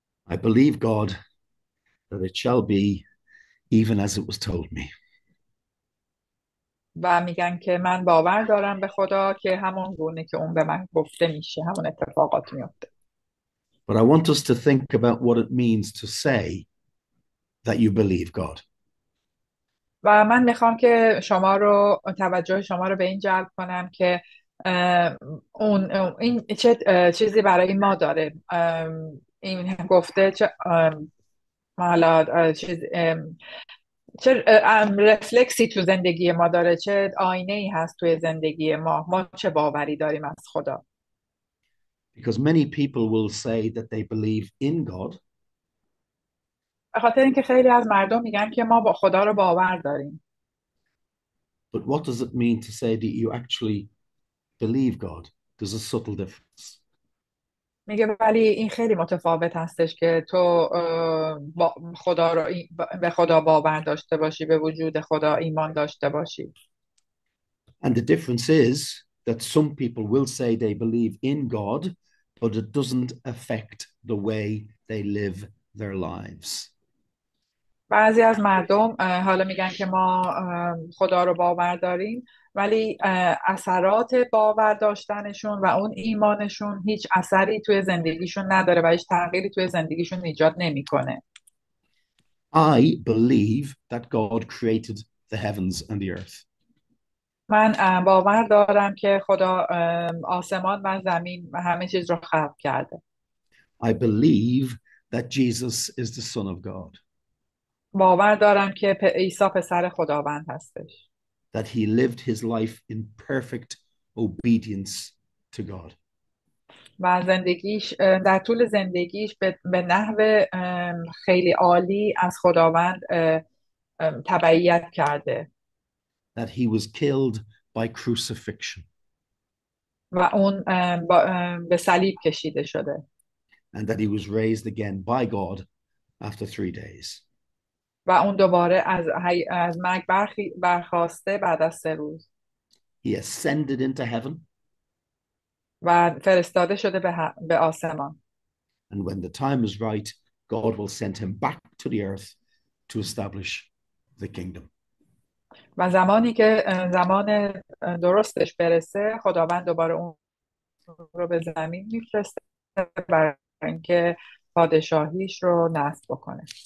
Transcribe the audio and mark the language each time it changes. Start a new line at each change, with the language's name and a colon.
English: I believe God that it shall be even as it was told me.
Persian: و میگن که من باور دارم به خدا که همان گونه که اون به من گفته میشه همون اتفاقات میفته.
English: But I want us to think about what it means to say that you believe God.
Persian: و من میخوام که شما رو توجه شما رو به این جلب کنم که اون این چه چیزی برای ما داره این گفته چه حالا چیز چه رفلکسی تو زندگی ما داره چه آینه ای هست توی زندگی ما چه باوری داریم از خدا.
English: Because many people will say that they believe in God.
Persian: خاطر اینکه خیلی از مردم میگن که ما با خدا رو باور داریم.
English: But what does it mean to say that you actually believe God? There's a subtle difference.
Persian: میگه ولی این خیلی متفاوت هستش که تو با خدا رو به خدا باور داشته باشی به وجود خدا ایمان داشته باشی.
English: And the difference is that some people will say they believe in God, but it doesn't affect the way they live their lives.
Persian: بعضی از مردم حالا میگن که ما خدا رو باور داریم ولی اثرات باور داشتنشون و اون ایمانشون هیچ اثری توی زندگیشون نداره و هیچ تغییری توی زندگیشون ایجاد نمیکنه.
English: I believe that God created the heavens and the earth.
Persian: من باور دارم که خدا آسمان و زمین و همه چیز رو خلق کرده.
English: I believe that Jesus is the Son of God.
Persian: باور دارم که عیسی پسر خداوند هستش.
English: That he lived his life in perfect obedience to God.
Persian: و زندگیش در طول زندگیش به نحو خیلی عالی از خداوند تبعیت کرده.
English: That he was killed by crucifixion.
Persian: و اون به صلیب کشیده شده.
English: And that he was raised again by God after 3 days.
Persian: و اون دوباره از مرگ برخواسته بعد از 3 روز.
English: He ascended into heaven.
Persian: و فرستاده شده به آسمان.
English: And when the time is right, God will send him back to the earth to establish the kingdom.
Persian: و زمانی که زمان درستش برسه خداوند دوباره اون رو به زمین میفرسته برای اینکه پادشاهیش رو نصب بکنه.